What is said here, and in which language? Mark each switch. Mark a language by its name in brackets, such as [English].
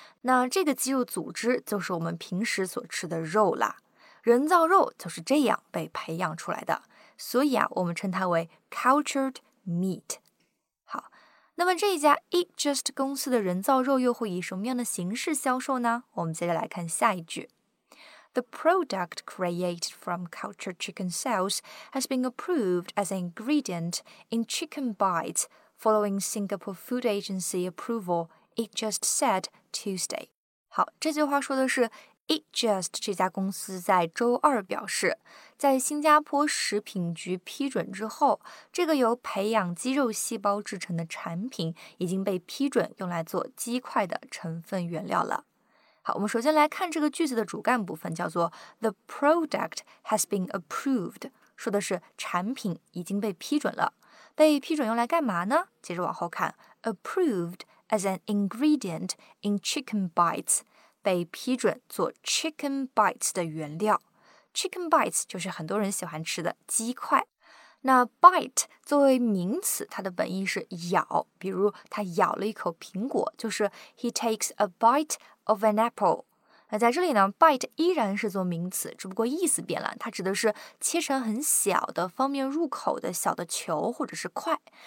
[Chinese] 那这个肌肉组织就是我们平时所吃的肉啦。人造肉就是这样被培养出来的，所以啊，我们称它为 cultured meat。好，那么这一家 Eat Just 公司的人造肉又会以什么样的形式销售呢？我们接着来看下一句。 [English] The product created from cultured chicken cells has been approved as an ingredient in chicken bites following Singapore Food Agency approval, Eat Just said Tuesday. [Chinese] 好，这句话说的是 Eat Just 这家公司在周二表示，在新加坡食品局批准之后，这个由培养肌肉细胞制成的产品已经被批准用来做鸡块的成分原料了。好，我们首先来看这个句子的主干部分，叫做 [English] The product has been approved， [Chinese] 说的是产品已经被批准了。被批准用来干嘛呢？接着往后看， [English] Approved as an ingredient in chicken bites， [Chinese] 被批准做 chicken bites 的原料。 Chicken bites 就是很多人喜欢吃的鸡块。那 bite 作为名词，它的本意是咬，比如他咬了一口苹果，就是 [English] he takes a biteof an apple。 [Chinese] 那在这里呢， bite 依然是做名词，只不过意思变了，它指的是切成很小的方便入口的小的球或者是块。